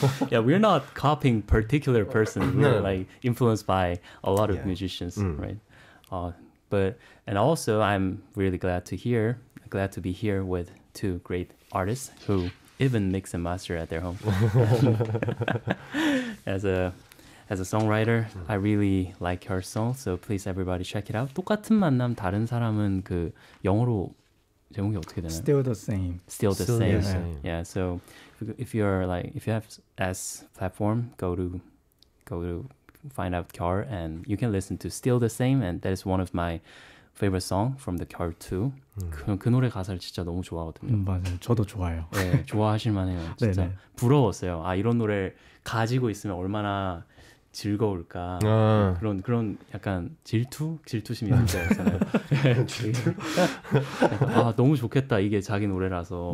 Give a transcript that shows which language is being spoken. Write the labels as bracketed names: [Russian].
[English] Yeah, we're not copying particular person. We're like influenced by a lot of musicians, right? But and also I'm really glad to hear, glad to be here with two great artists who even mix and master at their home. as a songwriter, I really like her song. So please everybody check it out. [Korean] 똑같은 만남 다른 사람은 그 영어로 제목이 어떻게 되나요? [English] Still the same. Still the same. Yeah. Yeah. So if you're like if you have S platform, go to find out KYUL and you can listen to Still the Same, and that is one of my favorite song from the KYUL 2. [Korean] 그 노래 가사를 진짜 너무 좋아하거든요. 맞아요. 저도 좋아요. 네, 좋아하실 만해요. 진짜 네네. 부러웠어요. 아, 이런 노래를 가지고 있으면 얼마나 즐거울까. 아. 그런 약간 질투심이 있잖아요. 질투. 아, 너무 좋겠다. 이게 자기 노래라서.